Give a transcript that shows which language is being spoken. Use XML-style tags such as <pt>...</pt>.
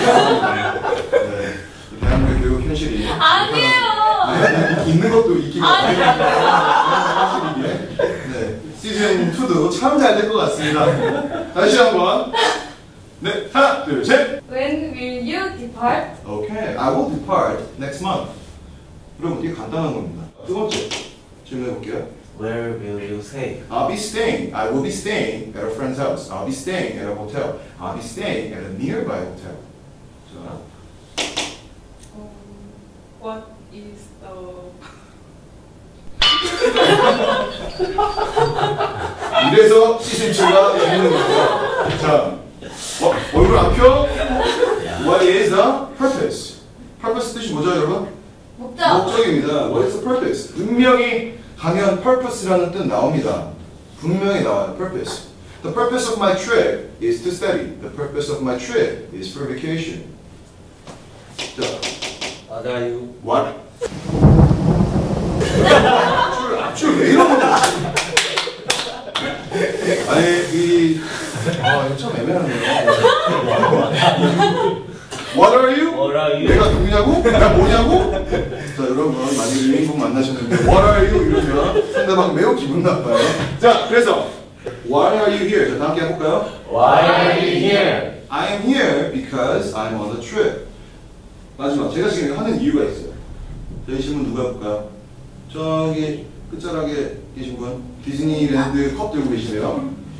<ko>네, 대한민국 교육 현실이 아니에요. 네, 있는 것도 있긴 아니에요. 현실이네. 네, 시즌 2도 참 잘 될 것 같습니다. 다시 한번. 네, 하나, 둘, 셋.</ko> <en>When will you depart? Okay, I will depart next month.</en> <ko>그럼 이게 간단한 겁니다. 두 번째 질문해볼게요.</ko> <en>Where will you stay? I'll be staying. I will be staying at a friend's house. I'll be staying at a hotel. I'll be staying at a nearby hotel. So, what is the? A...</en> <ko>이래서 시즌 2가 되는 거죠. 자, 얼굴 안 펴?</ko> <en>What is the purpose?</en> <ko>Purpose 뜻이 뭐죠, 여러분? 목적. 목적입니다.</ko> <en>What is the purpose?</en> <ko>분명히 강연 purpose라는 뜻 나옵니다. 분명히 나와요. Purpose.</ko> <en>The purpose of my trip is to study. The purpose of my trip is for vacation.</en> <ko>자,</ko> <en>what are you? What?</en> <ko>앞줄 왜 이런 거야? 아니 이 좀 애매하네요.</ko> <en>What are you? What are you?</en> <ko>내가 누구냐고? 내가 뭐냐고? 자, 여러분 만약에 유행분 만나셨는데</ko> <en>What are you?</en> <ko>이러면 상대방 매우 기분 나빠요. 자, 그래서</ko> <en>Why are you here?</en> <ko>자, 다 함께 해볼까요?</ko> <en>Why are you here? I am here because I'm on a trip.</en> <ko>마지막, 제가 지금 하는 이유가 있어요. 저희 질문 누가 볼까요? 저기 끝자락에 계신 분 디즈니랜드 컵 들고 계시네요.</ko>